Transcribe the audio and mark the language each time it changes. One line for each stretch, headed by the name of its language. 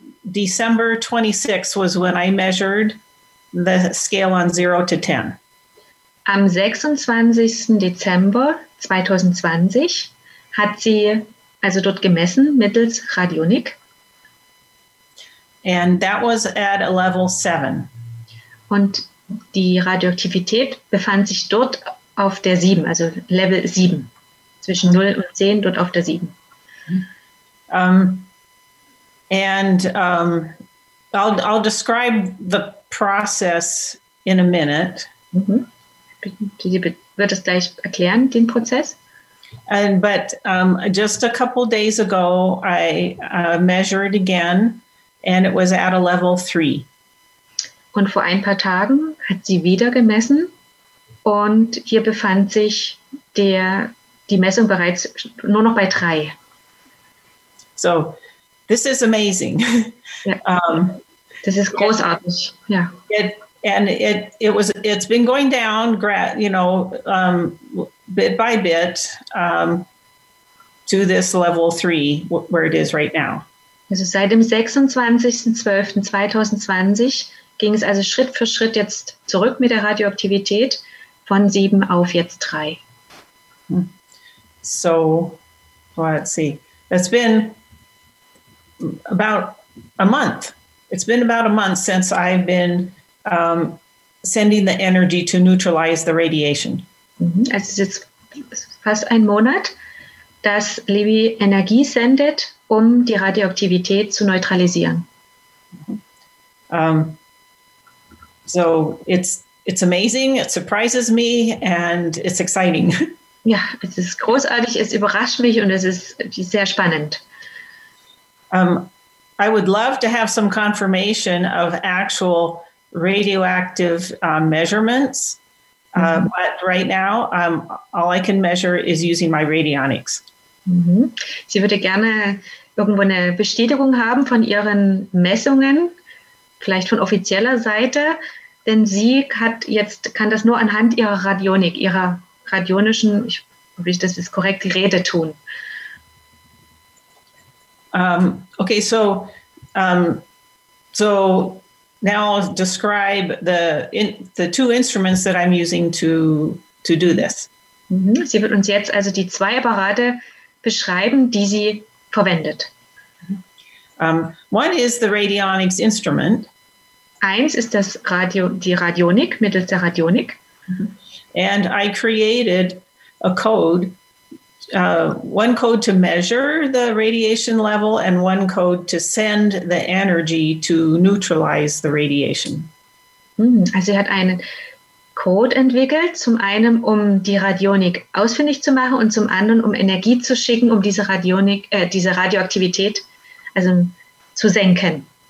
English: December 26 was when I measured the scale on 0 to 10.
German: Am 26. Dezember 2020 hat sie also dort gemessen mittels Radionik.
English: And that was at a level 7.
German: Und die Radioaktivität befand sich dort auf der 7, also Level 7. Zwischen 0 und 10, dort auf der 7.
English: I'll describe the process in a minute. Mm-hmm.
German: Wird das gleich erklären, den Prozess?
English: But just a couple days ago, I measured again, and it was at a level 3.
German: Und vor ein paar Tagen hat sie wieder gemessen, und hier befand sich die Messung bereits nur noch bei 3.
English: So, this is amazing.
German: Ja. Das ist großartig. Ja.
English: It's been going down, bit by bit, to this level 3, where it is right now.
German: Also seit dem 26.12.2020 ging es also Schritt für Schritt jetzt zurück mit der Radioaktivität von 7 auf jetzt 3.
English: So, let's see. It's been about a month. It's been about a month since I've been sending the energy to neutralize the radiation.
German: Also es ist fast ein Monat, dass Levi Energie sendet, um die Radioaktivität zu neutralisieren.
English: So it's amazing, it surprises me, and it's exciting.
German: Ja, es ist großartig, es überrascht mich und es ist sehr spannend.
English: I would love to have some confirmation of actual radioactive measurements. Mm-hmm. But right now, all I can measure is using my radionics. Mm-hmm.
German: Sie würde gerne irgendwo eine Bestätigung haben von ihren Messungen, vielleicht von offizieller Seite, denn sie kann das nur anhand ihrer Radionik, ihrer radionischen, ich hoffe, ich das ist korrekt, Rede tun.
English: So now I'll describe the two instruments that I'm using to do this. Mm-hmm.
German: Sie wird uns jetzt also die zwei Apparate beschreiben, die sie verwendet.
English: One is the radionics instrument.
German: Eins ist die Radionik, mittels der Radionik.
English: And I created a code, one code to measure the radiation level and one code to send the energy to neutralize the radiation.
German: Also sie hat einen Code entwickelt, zum einen, um die Radionik ausfindig zu machen und zum anderen, um Energie zu schicken, um diese diese Radioaktivität also zu senken.